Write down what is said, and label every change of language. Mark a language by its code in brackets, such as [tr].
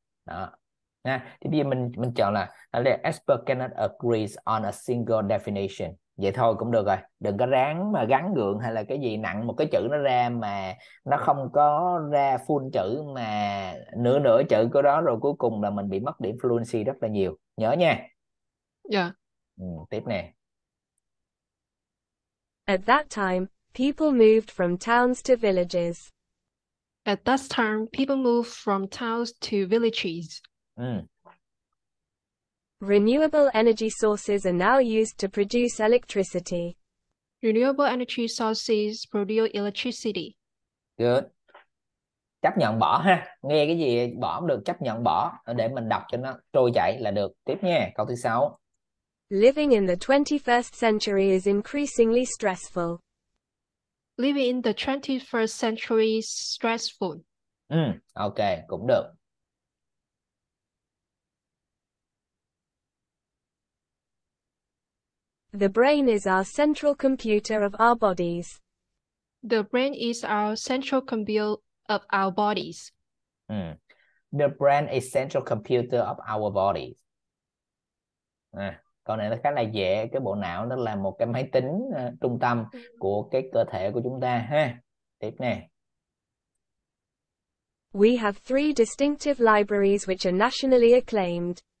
[vi] Đó. Nha. Thì bây giờ mình chọn là [en] expert cannot agree on a single definition. [vi] Vậy thôi cũng được rồi. Đừng có ráng mà gắn gượng hay là cái gì nặng một cái chữ nó ra mà nó không có ra full chữ mà nửa nửa chữ của đó, rồi cuối cùng là mình bị mất điểm fluency rất là nhiều. Nhớ nha. Tiếp nè. [en] At that time, people moved from towns to villages. At that time, people moved from towns to villages. Renewable energy sources are now used to produce electricity. Renewable energy sources produce electricity. [vi] Good. Chấp nhận bỏ ha. Nghe cái gì bỏ cũng được, chấp nhận bỏ để mình đọc cho nó trôi chảy là được. Tiếp nha, câu thứ 6. [en] Living in the 21st century is increasingly stressful. Living in the 21st century is stressful. [vi] Ok, cũng được. [en] The brain is our central computer of our bodies. The brain is our central computer of our bodies. The brain is central computer of our bodies. [vi] Câu này nó khá là dễ. Cái bộ não nó là một cái máy tính trung tâm của cái cơ thể của chúng ta ha. Tiếp nè. [en] We have three distinctive libraries which are nationally acclaimed.